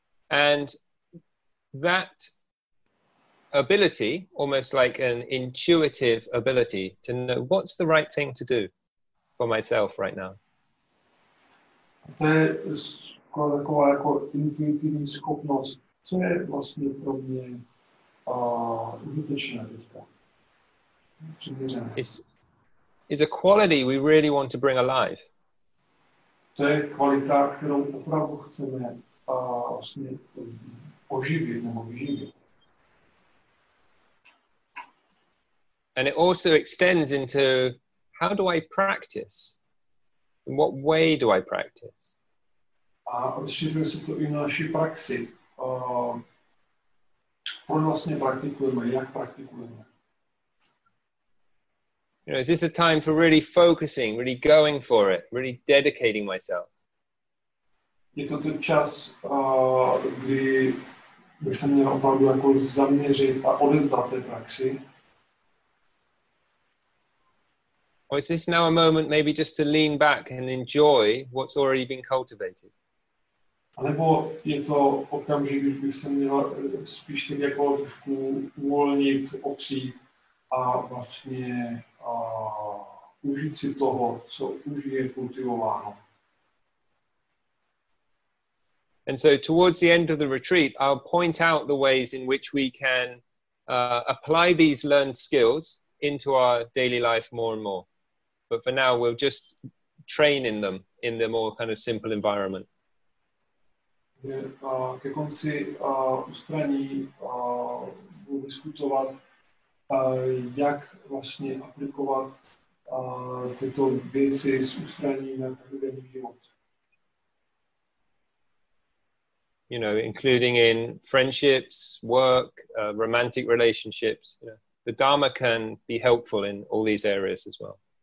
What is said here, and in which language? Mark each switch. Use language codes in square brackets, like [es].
[en] And that ability, almost like an intuitive ability, to know what's the right thing to do for myself right now. [cs] To je skoro taková jako intuitivní schopnost, co je vlastně pro mě užitečné teďka. [en] Is a quality we really want to bring alive. [cs] To je kvalita, kterou opravdu chceme vlastně oživit nebo vyživit. [en] And it also extends into how do I practice? In what way do I practice? [cs] A rozšiřuje se to i na naší praxi. Proč vlastně praktikujeme? Jak praktikujeme? [en] You know, is this a time for really focusing, really going for it, really dedicating myself? [cs] Je to ten čas, kdy bych se měl opravdu jako zaměřit a odevzdat té praxi. [en] Or is this now a moment maybe just to lean back and enjoy what's already been cultivated? [cs] Alebo je to okamžik, když bych se měl spíš tak jako trošku uvolnit, opřít a vlastně užít si toho, co už je kultivováno. [en] And so towards the end of the retreat, I'll point out the ways in which we can apply these learned skills into our daily life more and more. But for now, we'll just train in them in the more kind of simple environment. [cs] Ke konci ustraní budu diskutovat, jak vlastně aplikovat tyto věci z ustraní na každodenní život. [en] You know, including in friendships, work, romantic relationships. You know, the Dharma can be helpful in all these areas as well.